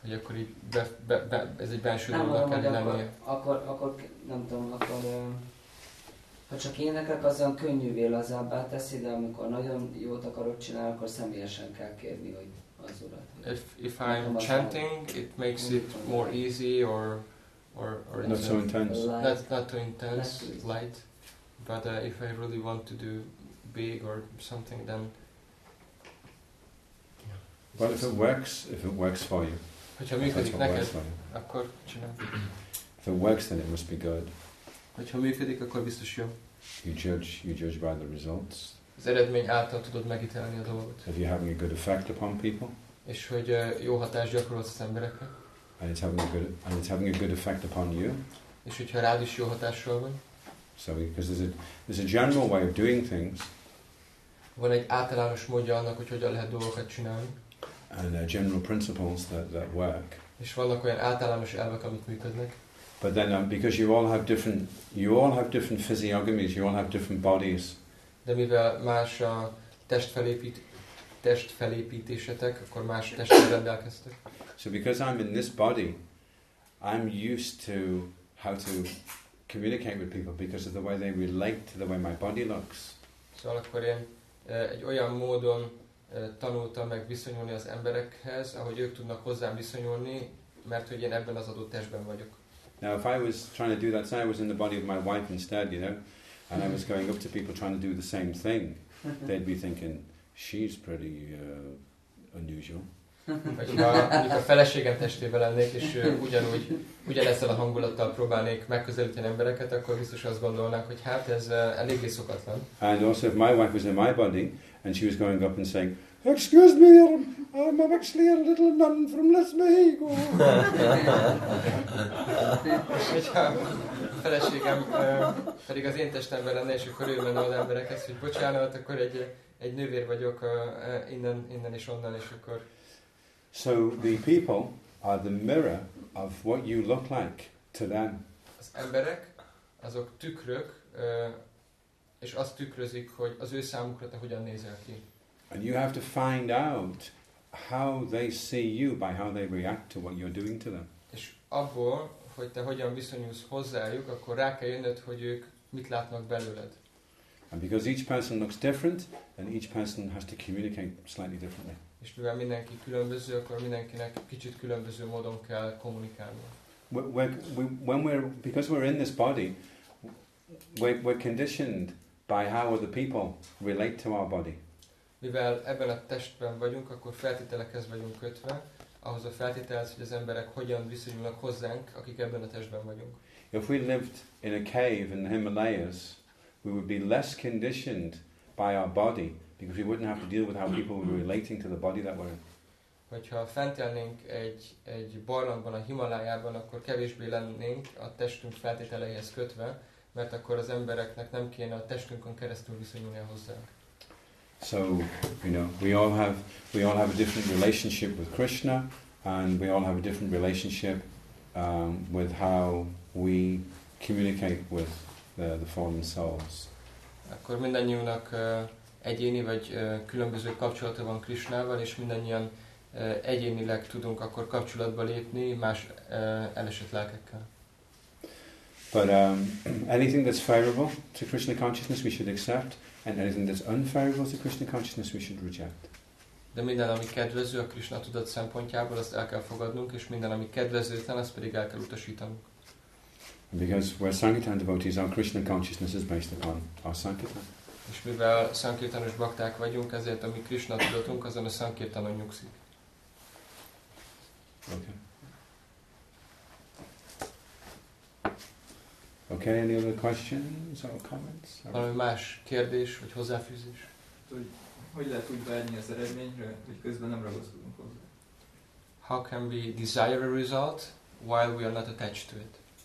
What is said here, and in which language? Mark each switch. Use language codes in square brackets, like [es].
[hu] Hogy akkor így ez egy belső dolognak kell lennie. Akkor nem tudom, akkor ha csak éneket, az olyan könnyűvé lazábbá teszi, de amikor nagyon jót akarod csinálni, akkor személyesen kell kérni, hogy az urat. [en] If I'm chanting, it makes it more easy or not so intense. Not too intense, light. But if I really want to do big or something, then... Well, if it works for you. [hu] Hogyha működik neked, akkor csinálj. [en] If it works, then it must be good. [hu] Hogyha működik, akkor biztos jó. [en] You judge by the results. [hu] Az eredmény által tudod megítélni a dolgot. [en] If you're having a good effect upon people. [hu] És hogy jó hatást gyakorolsz az emberekre. [en] And it's having a good effect upon you. [hu] És hogyha rád is jó hatással van. [en] So because there's a general way of doing things. [hu] Van egy általános módja annak, hogy hogyan lehet dolgokat csinálni. [en] And there are general principles that work. [hu] És vannak olyan általános elvek, amik működnek. [en] But then, because you all have different physiognomies, you all have different bodies. [hu] De mivel más a testfelépítésetek, akkor más testre rendelkeztek. [en] So because I'm in this body, I'm used to how to communicate with people because of the way they relate to the way my body looks. [hu] Szóval akkor én egy olyan módon tanultam meg viszonyulni az emberekhez, ahogy ők tudnak hozzám viszonyulni, mert hogy én ebben az adott testben vagyok. [en] Now if I was trying to do that, say I was in the body of my wife instead, you know, and I was going up to people trying to do the same thing, they'd be thinking, she's pretty unusual. [hu] Hogyha a feleségem testében lennék, és ugyanezzel a hangulattal próbálnék megközelíteni embereket, akkor biztos azt gondolnák, hogy hát ez eléggé szokatlan. [en] And also if my wife was in my body, and she was going up and saying, excuse me, I'm actually a little nun from Les Mexico. [hu] Hogyha a feleségem pedig az én testemben lenne, és akkor ő menne az emberekhez, hogy bocsánat, akkor egy nővér vagyok innen és onnan, és akkor... [en] So the people are the mirror of what you look like to them. [hu] Az emberek, azok tükrök, és azt tükrözik, hogy az ő számukra te hogyan nézel ki. [en] And you have to find out how they see you by how they react to what you're doing to them. [hu] És abból, hogy te hogyan viszonyulsz hozzájuk, akkor rá kell jönnöd, hogy ők mit látnak belőled. [en] And because each person looks different, then each person has to communicate slightly differently. [hu] És mivel mindenki különböző, akkor mindenkinek kicsit különböző módon kell kommunikálni. [en] Because we're in this body, we're conditioned by how other people relate to our body. [hu] Mivel ebben a testben vagyunk, akkor feltételekhez vagyunk kötve, ahhoz a feltételhez, hogy az emberek hogyan viszonyulnak hozzánk, akik ebben a testben vagyunk. [en] If we lived in a cave in the Himalayas, we would be less conditioned by our body, because we wouldn't have to deal with how people were relating to the body that we're in. [hu] Hogyha fent élnénk egy barlangban a Himalájában, akkor kevésbé lennénk a testünk feltételeihez kötve, mert akkor az embereknek nem kéne a testünkön keresztül viszonyulni hozzánk. [en] So, you know, we all have a different relationship with Krishna, and we all have a different relationship with how we communicate with the fallen souls. [hu] Akkor mindannyiunknak egyéni vagy különböző kapcsolata van Krishnával, és mindannyian egyénileg tudunk akkor kapcsolatba lépni más elesett lelkekkel. [en] But anything that's favorable to Krishna consciousness we should accept, and anything that's unfavorable to Krishna consciousness we should reject. [hu] De minden, ami kedvező a Krishna tudat szempontjából, azt el kell fogadnunk, és minden, ami kedvezőtlen, azt pedig el kell utasítanunk. [en] Because we're Sankirtan devotees, our Krishna consciousness is based upon our Sankirtan. [hu] És mivel szankirtanos bakták vagyunk, ezért a mi Krishna tudatunk azon a szankirtanon nyugszik. [en] Okay, any other questions or comments? [hu] Valami más kérdés vagy hozzáfűzés? Hogy lehet úgy várni az eredményre, hogy közben nem ragaszkodunk hozzá? [en] How can we desire a result while we are not attached to it?